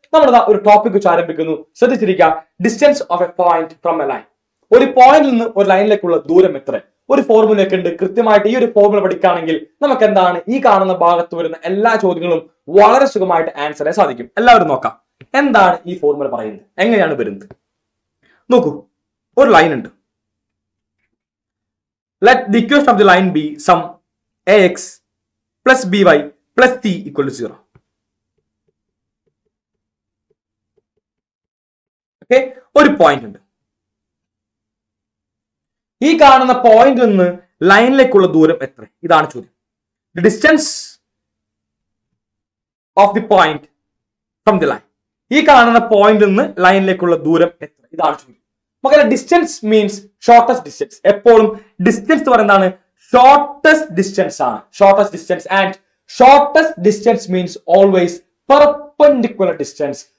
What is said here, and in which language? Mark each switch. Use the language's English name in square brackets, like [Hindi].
[Malayalam] നമ്മുടെ ഒരു ടോപ്പിക് വെച്ച് ആരംഭിക്കുന്നു. ശ്രദ്ധിച്ചിരിക്കുക, [English] distance of a point from a line, [Malayalam] ഒരു പോയിന്റിൽ നിന്ന് ഒരു ലൈനിലേക്കുള്ള ദൂരം എത്ര, ഒരു ഫോർമുല ഒക്കെ ഉണ്ട്. കൃത്യമായിട്ട് ഈ ഒരു ഫോർമുല പഠിക്കുകയാണെങ്കിൽ നമുക്ക് എന്താണ് ഈ കാണുന്ന ഭാഗത്ത് വരുന്ന എല്ലാ ചോദ്യങ്ങളും വളരെ സുഖമായിട്ട് ആൻസർ ചെയ്യാൻ സാധിക്കും. എല്ലാവരും നോക്കാം എന്താണ് ഈ ഫോർമുല പറയുന്നത്, എങ്ങനെയാണ് വരുന്നത്. നോക്കൂ, ഒരു ലൈൻ ഉണ്ട്. [English] Let the equation of the line be sum ax plus by plus t equal to 0. [Malayalam] Okay, ഒരു പോയിന്റ് ഉണ്ട്. ഈ കാണുന്ന പോയിന്റിൽ നിന്ന് ലൈനിലേക്കുള്ള ദൂരം എത്ര, ഇതാണ് ചോദ്യം. [English] The distance of the point from the line. [Malayalam] ഈ കാണുന്ന പോയിന്റിൽ നിന്ന് ലൈനിലേക്കുള്ള ദൂരം എത്ര, ഇതാണ് ചോദ്യം. മക്കളെ [English] Distance means shortest distance. [Malayalam] എപ്പോഴും ഡിസ്റ്റൻസ് പറയുന്നതാണ് ഷോർട്ടസ്റ്റ് ഡിസ്റ്റൻസ് ആണ്. [English] Shortest distance and shortest distance means always perpendicular distance.